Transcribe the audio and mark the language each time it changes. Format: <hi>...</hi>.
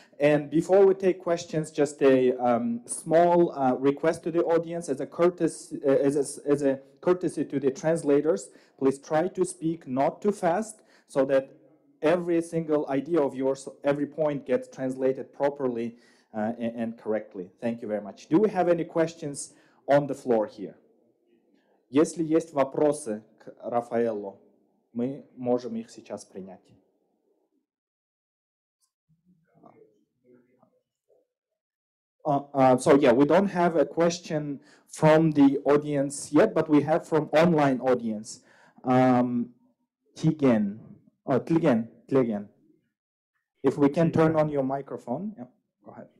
<en>And before we take questions, just a small request to the audience as a courtesy, as a courtesy to the translators. Please try to speak not too fast so that every single idea of yours, every point gets translated properly and correctly. Thank you very much. Do we have any questions on the floor here?</en> <ru>Если есть вопросы к Рафаэлло, мы можем их сейчас принять.</ru> <en>So we don't have a question from the audience yet, but we have from online audience. Tligen. If we can turn on your microphone. Yeah, go ahead.</en>